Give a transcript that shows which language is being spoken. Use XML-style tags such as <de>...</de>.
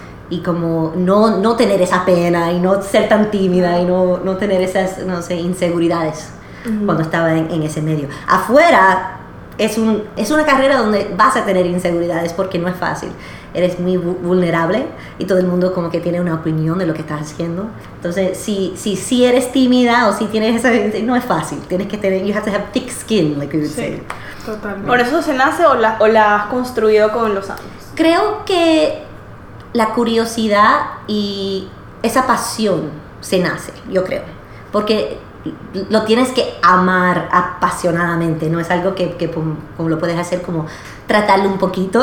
<es>Y como no tener esa pena y no ser tan tímida y no tener esas, no sé, inseguridades cuando estaba en ese medio. Afuera es una carrera donde vas a tener inseguridades porque no es fácil. Eres muy vulnerable y todo el mundo como que tiene una opinión de lo que estás haciendo. Entonces, si eres tímida o si tienes esa, no es fácil. Tienes que tener,</es> <en>you have to have thick skin, like we would say.</en> <es>Totalmente. ¿Por eso se nace o la has construido con los años? Creo que la curiosidad y esa pasión se nace, yo creo. Porque lo tienes que amar apasionadamente. No es algo que como lo puedes hacer como tratarlo un poquito.</es>